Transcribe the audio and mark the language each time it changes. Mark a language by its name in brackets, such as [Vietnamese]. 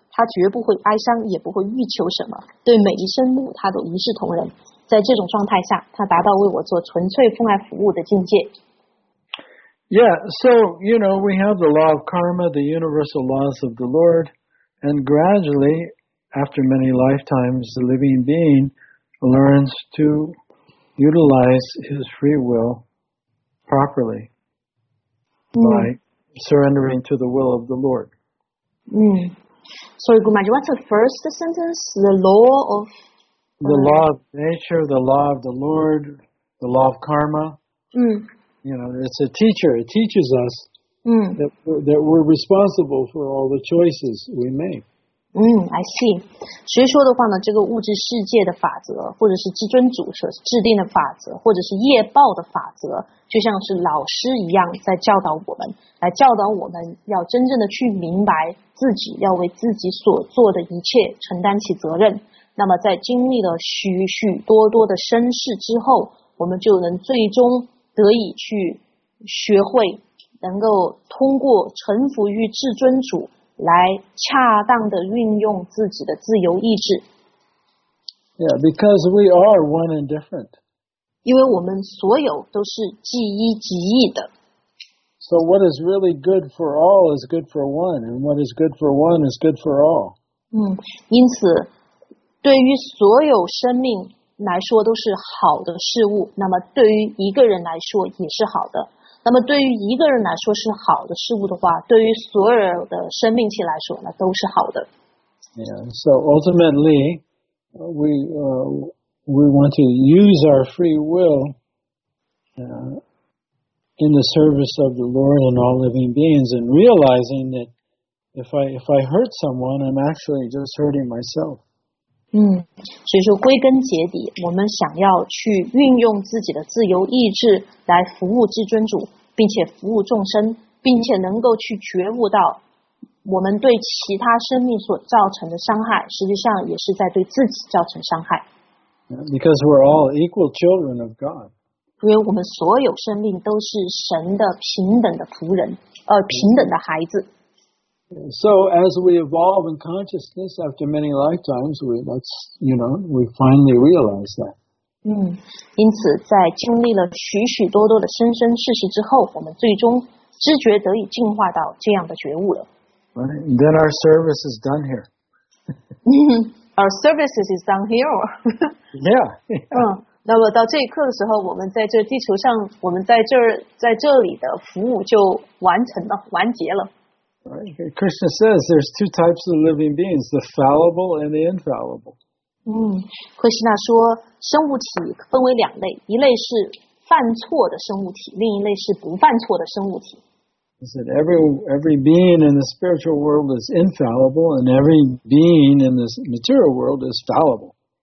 [Chinese] 他绝不会哀伤，也不会欲求什么。对每一生物，他都一视同仁。在这种状态下，他达到为我做纯粹奉爱服务的境界。 [English] Yeah, so, you know, we have the law of karma, the universal laws of the Lord, and gradually... After many lifetimes, the living being learns to utilize his free will properly by surrendering to the will of the Lord. Sorry, Gumaji, what's the first sentence? The law of... The law of nature, the law of the Lord, the law of karma. You know, it's a teacher. It teaches us that we're responsible for all the choices we make. I see. [Chinese] 所以说的话呢，这个物质世界的法则，或者是至尊主所制定的法则，或者是业报的法则，就像是老师一样在教导我们，来教导我们要真正的去明白自己要为自己所做的一切承担起责任。那么在经历了许许多多的身世之后，我们就能最终得以去学会，能够通过臣服于至尊主来恰当的运用自己的自由意志。 [English] Yeah, because we are one and different. [Chinese] 因为我们所有都是即一即义的。 [English] So what is really good for all is good for one, and what is good for one is good for all. [Chinese] 因此对于所有生命来说都是好的事物，那么对于一个人来说也是好的。那么对于一个人来说是好的事物的话，对于所有的生命体来说呢，都是好的。 [English] Yeah, so ultimately, we want to use our free will, in the service of the Lord and all living beings, and realizing that if I hurt someone, I'm actually just hurting myself. [Chinese] 所以说归根结底，我们想要去运用自己的自由意志来服务至尊主，并且服务众生，并且能够去觉悟到我们对其他生命所造成的伤害，实际上也是在对自己造成伤害。 [English] Because we're all equal children of God. [Chinese] 因为我们所有生命都是神的平等的仆人，平等的孩子。 [English] So as we evolve in consciousness after many lifetimes, we finally realize that. [Chinese] 因此在经历了许许多多的生生世世之后，我们最终知觉得以进化到这样的觉悟了。 [English] Right, then our service is done here. Our service is done here. Yeah. [Chinese] 那么到这一刻的时候，我们在这地球上，我们在这里的服务就完成了，完结了。 [English] Right. Krishna says there's two types of living beings, the fallible and the infallible. [Chinese] Krishna 说生物体分为两类，一类是犯错的生物体，另一类是不犯错的生物体。 [English] He said every being in the spiritual world is infallible, and every being in this material world is fallible.